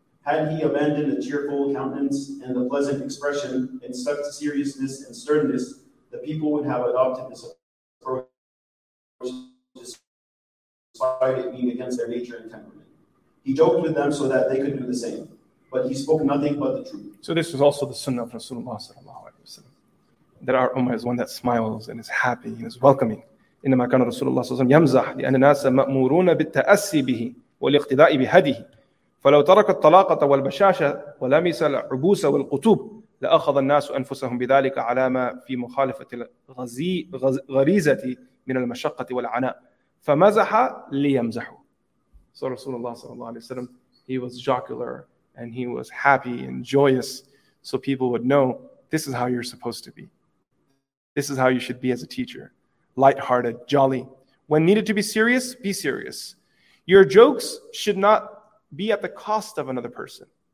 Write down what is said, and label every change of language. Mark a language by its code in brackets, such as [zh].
[en] Had he abandoned a cheerful countenance and a pleasant expression and stuck to seriousness and sternness, the people would have adopted this approach despite it being against their nature and temperament. He joked with them so that they could do the same, but he spoke nothing but the truth. So this was also the sunnah of Rasulullah sallallahu alayhi wa sallam, that our ummah is one that smiles and is happy and is welcoming. [ar] إنما كان رسول الله صلى الله عليه وسلم يمزح لأن الناس مأمورون بالتأسي به والاقتداء بهديه فلو ترك الطلاقة والبشاشة ولمس العبوس والقطوب لأخذ الناس أنفسهم بذلك على ما في مخالفة غريزة من المشقة والعناء فمزح ليمزحوا. [en] So [ar] رسول الله صلى الله عليه وسلم, [en] he was jocular and he was happy and joyous, so people would know this is how you're supposed to be, this is how you should be as a teacher. Lighthearted, jolly. When needed to be serious, be serious. Your jokes should not be at the cost of another person.